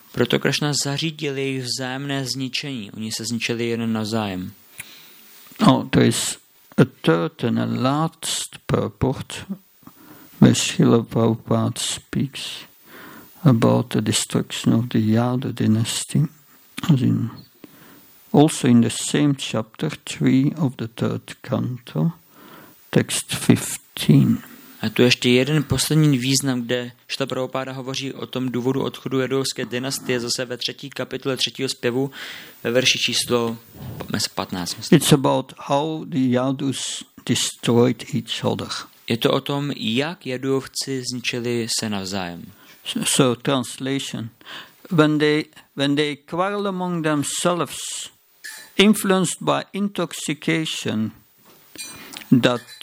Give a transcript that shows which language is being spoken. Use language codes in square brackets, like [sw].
[cs] Proto Krishna zařídil jejich vzájemné zničení. Oni se zničili jeden navzájem. [en] Oh, there is a third and a last purport where Srila Prabhupada speaks about the destruction of the Yadu dynasty. As in, also in the same chapter 3 of the third canto, text 15. [cs] A tu ještě jeden poslední význam, kde Šta Prabhupáda hovoří o tom důvodu odchodu jadovské dynastie, zase ve třetí kapitole třetího zpěvu ve verši číslo 15. Myslím. [en] It's about how the Yadus destroyed each other. [cs] Je to o tom, jak jadovci zničili se navzájem. [en] So translation. When they quarrel among themselves, influenced by intoxication, that